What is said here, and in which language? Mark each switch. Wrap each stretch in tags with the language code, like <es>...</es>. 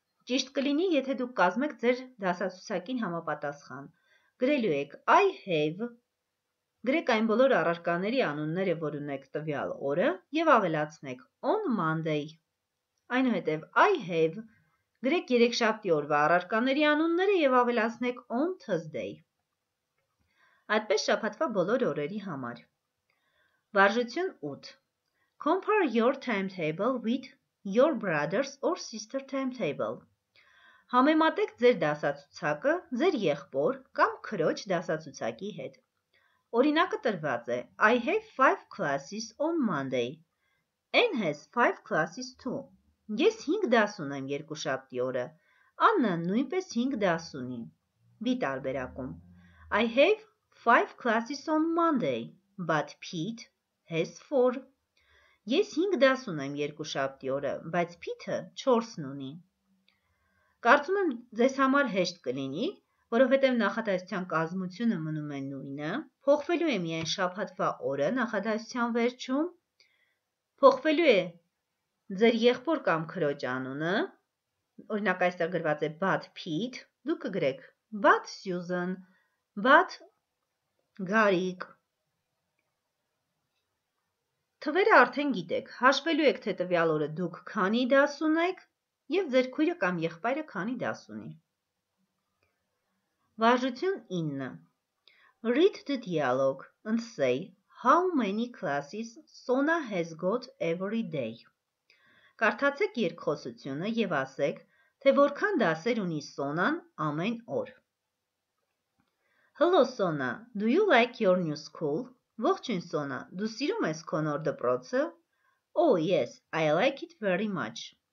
<hy>ճիշտ կլինի, եթե դուք կազմեք ձեր դասացուցակին համապատասխան։ Գրելու եք</hy> <en>I have,</en> <hy>գրեք այն բոլոր առարկաների անունները, որ ունեք տվյալ օրը, եւ ավելացնեք</hy> <en>on Monday։</en> <hy>Այնուհետև I have, գրեք երեքշաբթի օրվա առարկաների անունները եւ ավելացնեք</hy> <en>on Thursday։</en> <hy>Այդպես շաբաթվա բոլոր օրերի համար։ Վարժություն 8.</hy> <en>Compare your timetable with your brother's or sister's timetable.</en> <hy>Համեմատեք ձեր դասացուցակը ձեր եղբոր կամ քրոջ դասացուցակի հետ։ Օրինակը տրված է.</hy> <en>I have 5 classes on Monday. Anne has 5 classes too.</en> <hy>Ես 5 դաս ունեմ երկուշաբթի օրը։ Աննա նույնպես 5 դաս ունի։ B տարբերակում.</hy> <en>I have 5 classes on Monday, but Pete has 4.</en> <hy>Ես 5 դաս ունեմ երկուշաբթի օրը, բայց Pete-ը 4-ն ունի։ Կարծում եմ, ձեզ համար հեշտ կլինի, որովհետև նախադասության կազմությունը մնում է նույնը, փոխվելու է միայն շաբաթվա օրը նախադասության վերջում, փոխվելու է ձեր եղբոր կամ քրոջ անունը, օրինակ այստեղ գրված է but Pete, դուք կգրեք</hy> <en>but Susan,</en> <hy>but Գարիկ։ Թվերը արդեն գիտեք, հաշվելու եք, թե տվյալ օրը դուք քանի դաս ունեք եւ ձեր քույրը կամ եղբայրը քանի դաս ունի։ Վարժություն 9.</hy> <en>Read the dialogue and say how many classes Sona has got every day.</en> <hy>Կարդացեք երկխոսությունը եւ ասեք, թե որքան դասեր ունի Սոնան ամեն օր։</hy> <en>Hello Sona, do you like your new school?</en> <hy>Ողջույն Սոնա, դու սիրո՞ւմ ես քո նոր դպրոցը։</hy> <en>Oh yes, I like it very much.</en>